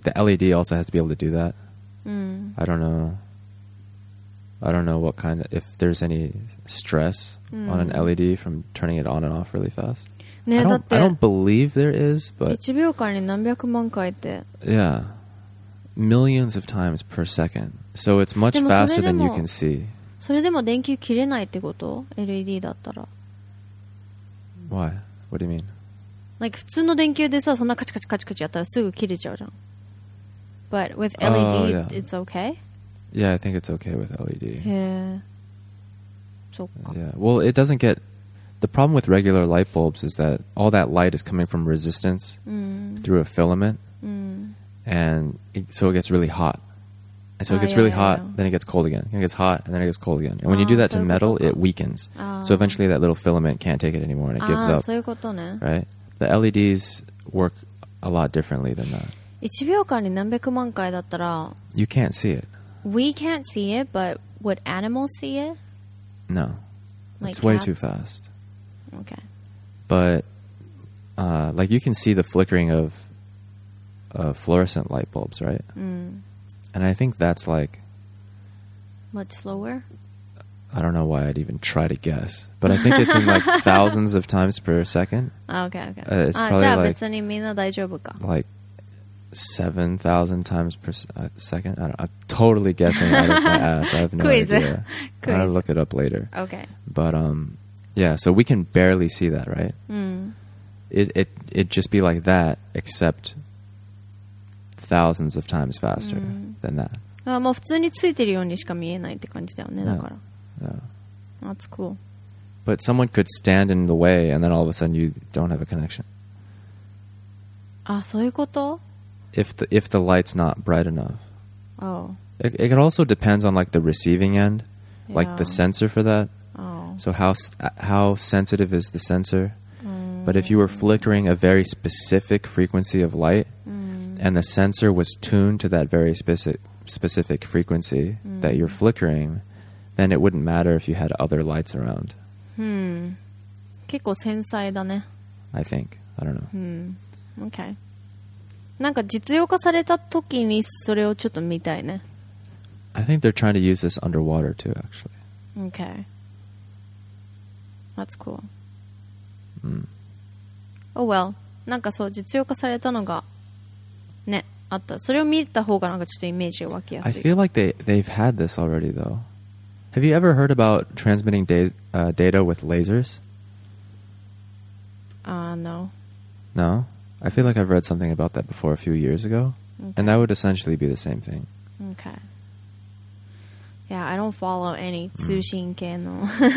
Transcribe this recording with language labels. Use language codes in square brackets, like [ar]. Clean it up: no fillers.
[en] The LED also has to be able to do that. I don't know. I don't know what kind of... If there's any stress on an LED from turning it on and off really fast. I don't believe there is, but... [ja] 1秒間に何百万回って... [en] Yeah. Millions of times per second. So it's much faster than you can see. [ja] それでも電球切れないってこと? LED だったら。 [en] Why? What do you mean? [ja] Like, 普通の電球でさ、そんなカチカチカチカチやったらすぐ切れちゃうじゃん。 [en] But with LED, it's okay? Yeah, I think it's okay with LED. [ja] へー。そっか。 [en] Yeah. Well, it doesn't get... The problem with regular light bulbs is that all that light is coming from resistance through a filament. And so it gets really hot. And so it gets really hot, then it gets cold again. And it gets hot, and then it gets cold again. And when you do that to metal, it weakens. So eventually that little filament can't take it anymore, and it gives up. [ja] そういうことね。 [en] Right? The LEDs work a lot differently than that. [ja] 1秒間に何百万回だったら... [en] You can't see it. We can't see it, but would animals see it? No. Like it's way too fast. Okay. But, like, you can see the flickering of... fluorescent light bulbs, right? And I think that's like much slower. I don't know why I'd even try to guess, but I think it's in like thousands of times per second. Okay. It's probably like, [ja] じゃあ別にみんな大丈夫か? [en] Like 7,000 times per second. I don't, I'm totally guessing out of my ass. I have no idea. Quiz. I'll look it up later. Okay. But yeah, so we can barely see that, right? It'd just be like that, except. Thousands of times faster than that. [ja] Ah, まあ普通についてるようにしか見えないって感じだよね。だから。 [en] Yeah. That's cool. But someone could stand in the way, and then all of a sudden you don't have a connection. [ja] Ah, そういうこと? [en] If the light's not bright enough. Oh. It also depends on like the receiving end, like the sensor for that. So how sensitive is the sensor? But if you were flickering a very specific frequency of light. And the sensor was tuned to that very specific frequency that you're flickering, then it wouldn't matter if you had other lights around. [ja] 結構繊細だね。 [en] I think. I don't know、 mm. [ja] Okay なんか実用化された時にそれをちょっと見たいね [en] I think they're trying to use this underwater too actually Okay That's cool、 mm. Oh well [ja] なんかそう実用化されたのがねあったそれを見た方がなんかちょっとイメージが湧きやすい [en] I feel like they've had this already though Have you ever heard about transmitting data with lasers? No. No? I feel like I've read something about that before a few years ago. Okay. And that would essentially be the same thing. Okay. Yeah, I don't follow any [ja] 通信系の